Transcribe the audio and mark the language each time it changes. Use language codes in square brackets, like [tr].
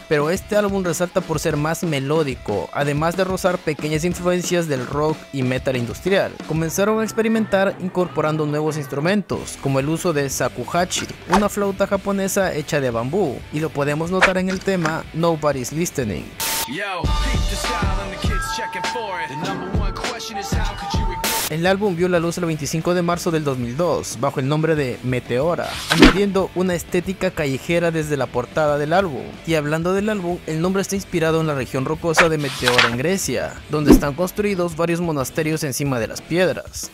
[es] Pero este álbum resalta por ser más melódico, además de rozar pequeñas influencias del rock y metal industrial. Comenzaron a experimentar incorporando nuevos instrumentos, como el uso de shakuhachi, una flauta japonesa hecha de bambú, y lo podemos notar en el tema Nobody's Listening. [en] Yo, peep the style and the kids checking for it. The number one question is how could you ignore. [es] El álbum vio la luz el 25 de marzo del 2002, bajo el nombre de Meteora, añadiendo una estética callejera desde la portada del álbum. Y hablando del álbum, el nombre está inspirado en la región rocosa de Meteora en Grecia, donde están construidos varios monasterios encima de las piedras.